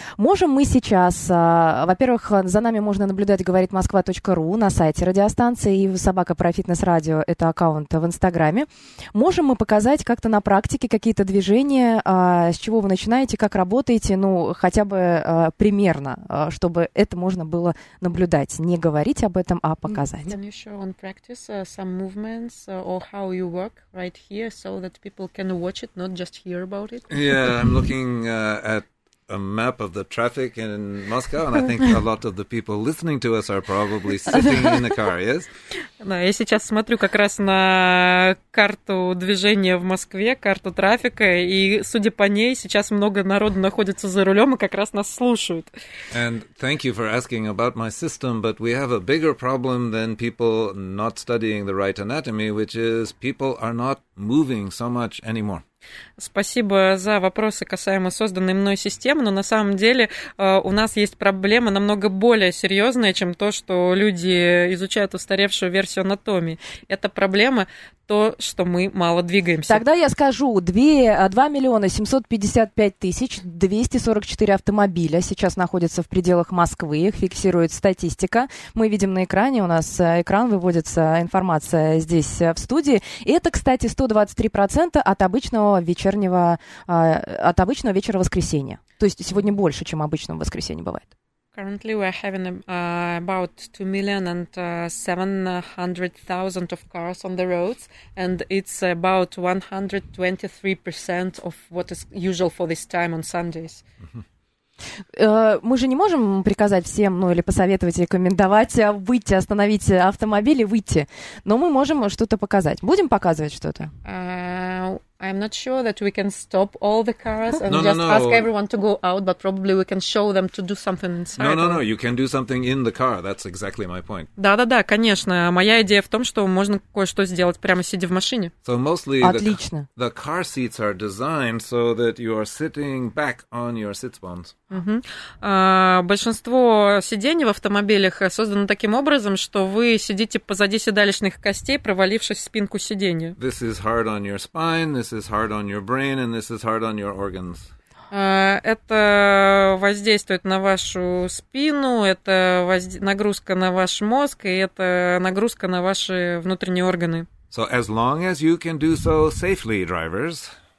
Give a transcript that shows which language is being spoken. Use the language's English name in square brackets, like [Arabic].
[Russian] Можем мы сейчас, во-первых, за нами можно наблюдать говоритмосква.ру на сайте радиостанции и собака про фитнес-радио, это аккаунт в Инстаграме. Можем мы показать как-то на практике какие-то движения, с чего вы начинаете, как работаете, ну, хотя бы примерно, чтобы это можно было наблюдать, не говорить об этом, а показать. [English] Can you show on practice some movements or how you work right here, so that people can watch it, not just hear about it? Yeah, I'm looking at a map of the traffic in Moscow, and I think a lot of the people listening to us are probably sitting in the car, yes? [Russian] Да, я сейчас смотрю как раз на карту движения в Москве, карту трафика, и, судя по ней, сейчас много народу находится за рулем и как раз нас слушают. [English] And thank you for asking about my system, but we have a bigger problem than people not studying the right anatomy, which is people are not moving so much anymore. [Russian] Спасибо за вопросы, касаемо созданной мной системы, но на самом деле у нас есть проблема намного более серьезная, чем то, что люди изучают устаревшую версию анатомии. Это проблема то, что мы мало двигаемся. Тогда я скажу, 2 755 244 автомобиля сейчас находятся в пределах Москвы, их фиксирует статистика. Мы видим на экране, у нас экран выводится, информация здесь в студии. И это, кстати, 123% от обычного вечернего, от обычного вечера воскресенья. То есть сегодня больше, чем обычного воскресенья бывает. [English] Currently we're having about 2,700,000 of cars on the roads, and it's about 123% of what is usual for this time on Sundays. [Russian] Мы же не можем приказать всем, ну или посоветовать, рекомендовать выйти, остановить автомобиль и выйти, но мы можем что-то показать. Будем показывать что-то? [English] I'm not sure that we can stop all the cars and ask everyone to go out, but probably we can show them to do something inside. No, you can do something in the car. That's exactly my point. [Russian] Да-да-да, конечно. Моя идея в том, что можно кое-что сделать прямо сидя в машине. [English] So mostly the car seats are designed so that you are sitting back on your sit bones. [Russian] Большинство сидений в автомобилях создано таким образом, что вы сидите позади седалищных костей, провалившись в спинку сиденья. [English] This is hard on your spine. This is hard on your brain, and this is hard on your organs. [Russian] Это воздействует на вашу спину, это нагрузка на ваш мозг, и это нагрузка на ваши внутренние органы. [English] So as long as you can do so safely, drivers.